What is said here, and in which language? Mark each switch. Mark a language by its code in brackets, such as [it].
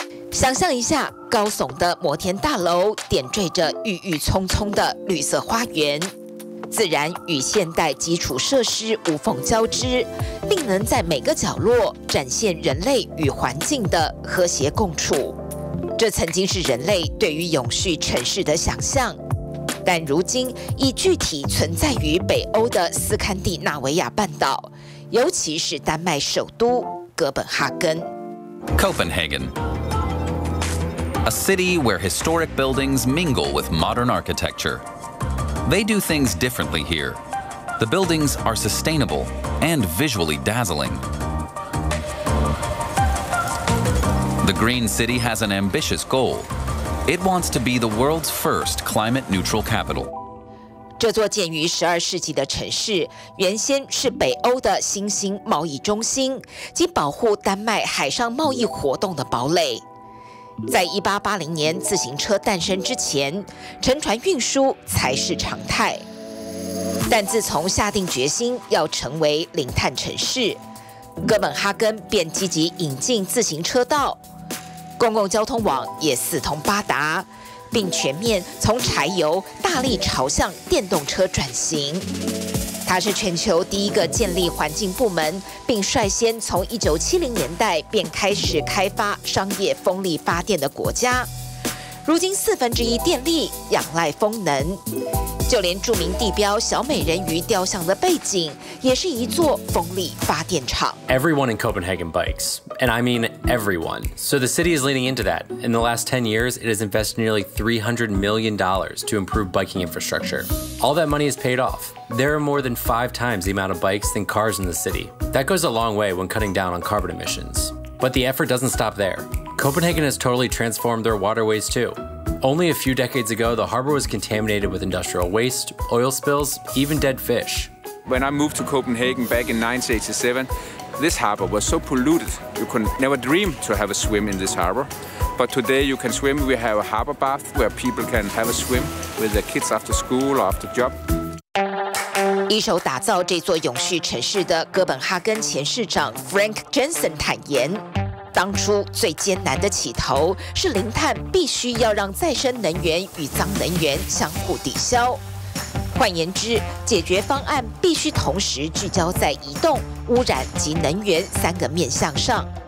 [zh] 想象一下，高耸的摩天大楼点缀着郁郁葱葱的绿色花园，自然与现代基础设施无缝交织，并能在每个角落展现人类与环境的和谐共处。这曾经是人类对于永续城市的想象，但如今已具体存在于北欧的斯堪的纳维亚半岛，尤其是丹麦首都哥本哈根。 [en] Copenhagen. A city where historic buildings mingle with modern architecture. They do things differently here. The buildings are sustainable and visually dazzling. The Green City has an ambitious goal. It wants to be the world's first climate-neutral capital. [zh] 这座建于12世纪的城市原先是北欧的新兴贸易中心及保护丹麦海上贸易活动的堡垒。在1880年自行车诞生之前，沉船运输才是常态。但自从下定决心要成为零碳城市，哥本哈根便积极引进自行车道，公共交通网也四通八达，并全面从柴油大力朝向电动车转型。它是全球第一个建立环境部门，并率先从1970年代便开始开发商业风力发电的国家。如今四分之一电力仰赖风能，就连著名地标小美人鱼雕像的背景也是一座风力发电厂。 [en] Everyone in Copenhagen bikes, and I mean everyone. So the city is leaning into that. In the last 10 years, it has invested nearly $300 million to improve biking infrastructure. All that money has paid off. There are more than 5 times the amount of bikes than cars in the city. That goes a long way when cutting down on carbon emissions. But the effort doesn't stop there. Copenhagen has totally transformed their waterways too. Only a few decades ago, the harbor was contaminated with industrial waste, oil spills, even dead fish. When I moved to Copenhagen back in 1987, this harbor was so polluted, you could never dream to have a swim in this harbor. But today you can swim, we have a harbor bath where people can have a swim with their kids after school or after job. [zh] 一手打造这座永续城市的哥本哈根前市长 Frank Jensen 坦言，当初最艰难的起头是零碳必须要让再生能源与脏能源相互抵消。换言之，解决方案必须同时聚焦在移动、污染及能源三个面向上。